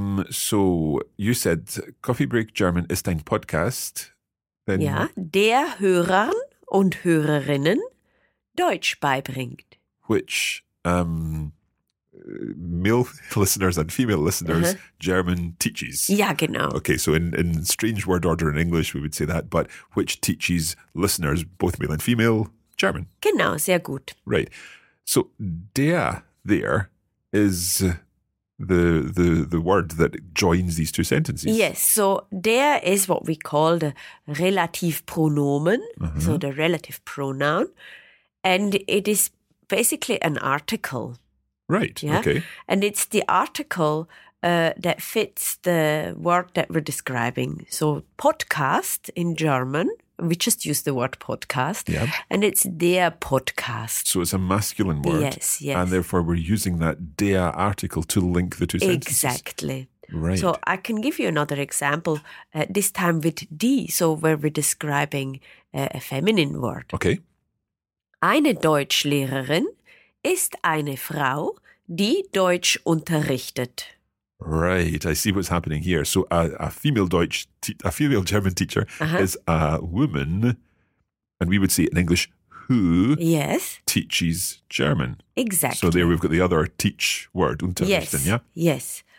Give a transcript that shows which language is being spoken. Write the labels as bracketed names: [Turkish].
[English] So you said Coffee Break German [German] ist ein Podcast. [English] Then yeah, [German] der Hörern und Hörerinnen Deutsch beibringt. [English] Which male listeners and female listeners, uh-huh. German teaches. Yeah, genau. Okay, so in strange word order in English, we would say that, but which teaches listeners, both male and female, German. [German] Genau, sehr gut. [English] Right. So der there is the word that joins these two sentences. Yes, so der is what we call the Relativpronomen, uh-huh. So the relative pronoun, and it is basically an article. Right, yeah? Okay. And it's the article that fits the word that we're describing. So podcast in German, we just use the word podcast, yeah. And it's der Podcast. So it's a masculine word. Yes, yes. And therefore we're using that der article to link the two sentences. Exactly. Right. So I can give you another example, this time with die, so where we're describing a feminine word. Okay. [German] Eine Deutschlehrerin ist eine Frau, die Deutsch unterrichtet. [English] Right, I see what's happening here. So a female German teacher uh-huh. is a woman, and we would say in English, who yes. teaches German. Exactly. So there we've got the other teach word, unterrichten, yes. yeah? Yes,